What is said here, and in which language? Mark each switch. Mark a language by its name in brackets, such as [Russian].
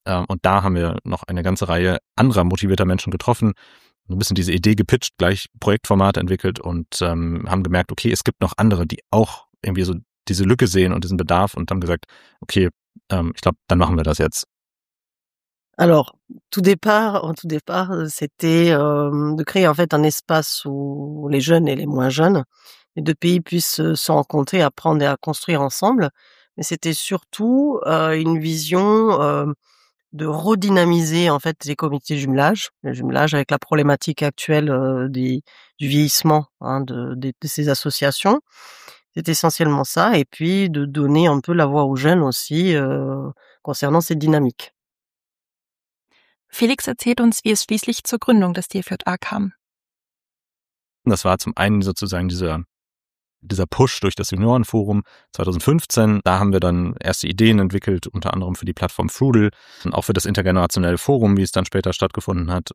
[German] Und da haben wir noch eine ganze Reihe anderer motivierter Menschen getroffen, ein bisschen diese Idee gepitcht, gleich Projektformat entwickelt und haben gemerkt, okay, es gibt noch andere, die auch irgendwie so diese Lücke sehen und diesen Bedarf und haben gesagt, okay, ich glaube, dann machen wir das jetzt. [French] Alors, tout départ, c'était de créer en fait un espace où les jeunes et les moins jeunes, les deux pays puissent se rencontrer, apprendre et à construire ensemble. Mais c'était surtout une vision de redynamiser en fait les comités jumelage, le jumelage avec la problématique actuelle du vieillissement hein, de ces associations. C'est essentiellement ça, et puis de donner un peu la voix aux jeunes aussi concernant cette dynamique. [German] Felix erzählt uns, wie es schließlich zur Gründung des DFJA kam. Das war zum einen sozusagen dieser Push durch das Seniorenforum 2015. Da haben wir dann erste Ideen entwickelt, unter anderem für die Plattform Frudel und auch für das intergenerationelle Forum, wie es dann später stattgefunden hat.